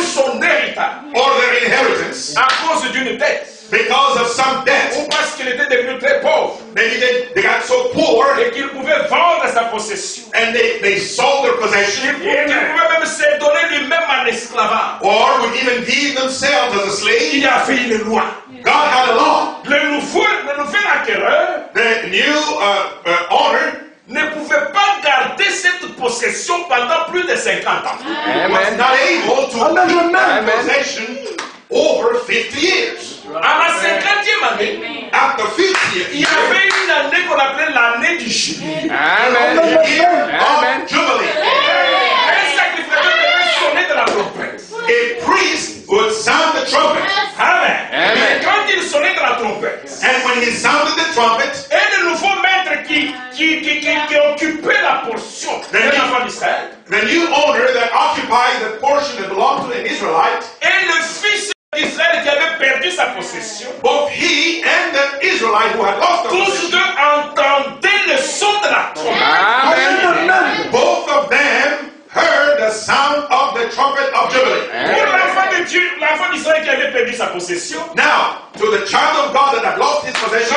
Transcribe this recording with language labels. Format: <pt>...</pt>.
<fr>son héritage,</fr> <en>or their inheritance,</en> <fr>à cause d'une dette,</fr> <en>because of some debt,</en> <fr>ou parce qu'il était devenu très pauvre,</fr> <en>maybe they got so poor,</en> <fr>et qu'il pouvait vendre sa possession,</fr> <en>and they sold their possession,</en> <fr>et qu'il pouvait même se donner lui-même en esclavage,</fr> <en>or would even give themselves as a slave.</en> <fr>Il y avait une loi.</fr> <en>God had a law.</en> <fr>Le nouvel acquéreur,</fr> <en>the new owner,</en> <fr>ne pouvait pas garder cette possession pendant plus de 50 ans.</fr> <en>Amen. Was not able to keep possession over 50 years.</en> <fr>À la 50e année,</fr> <en>after 50 years,</en> <fr>il y avait une année qu'on appelait l'année du jubilé.</fr> <en>Amen. The year of jubilee.</en> <fr>Un sacrificateur devait sonner de la trompette.</fr> <en>A priest would sound the trumpet. Amen. Amen.</en> <fr>Et quand il sonnait de la trompette,</fr> <en>and when he sounded the trumpet,</en> <fr>et le nouveau maître qui occupait la portion de l'enfant d'Israël,</fr> <en>the new owner that occupied the portion that belonged to the Israelite,</en> <fr>et le fils d'Israël qui avait perdu sa possession,</fr> <en>both he and the Israelite who had lost the possession,</en> <fr>tous deux entendaient le son de la trompette.</fr> <en>Amen. Both of them heard the sound of the trumpet of jubilee.</en> <fr>L'enfant d'Israël qui avait perdu sa possession.</fr> <en>Now, to the child of God that had lost his possession,</en>